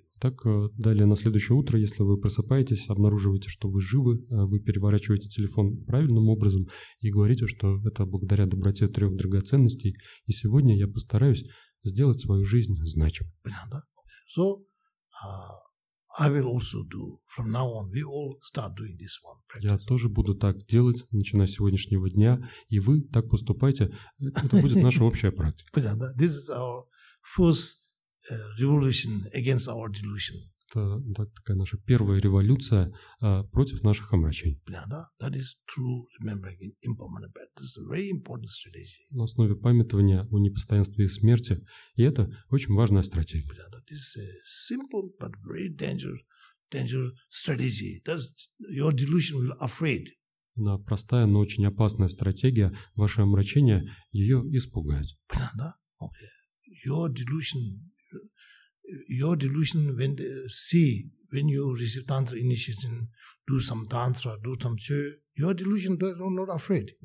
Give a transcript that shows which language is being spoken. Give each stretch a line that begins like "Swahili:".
Russian: Так далее на следующее утро, если вы просыпаетесь, обнаруживаете, что вы живы, вы переворачиваете телефон правильным образом и говорите, что это благодаря доброте трех драгоценностей, и сегодня я постараюсь сделать свою жизнь значимой. Понятно.
English: So I will also do from now on. We all start doing this one.
Russian: Я тоже буду так делать, начиная с сегодняшнего дня, и вы так поступайте. Это будет наша общая практика. Понятно.
English: This is our first revolution against our delusion.
Russian: Это такая наша первая революция против наших омрачений. Понятно.
English: That is true remembering impermanent birth. This is a very important strategy.
Russian: На основе памятования о непостоянстве и смерти, и это очень важная стратегия. Понятно.
English: This is a simple but very dangerous strategy. Does your delusion will afraid?
Russian: Она простая, но очень опасная стратегия. Ваше омрачение ее испугает. Понятно.
English: Okay. Your delusion when you receive tantra initiation, do some tantra, do some chö, your delusion not afraid.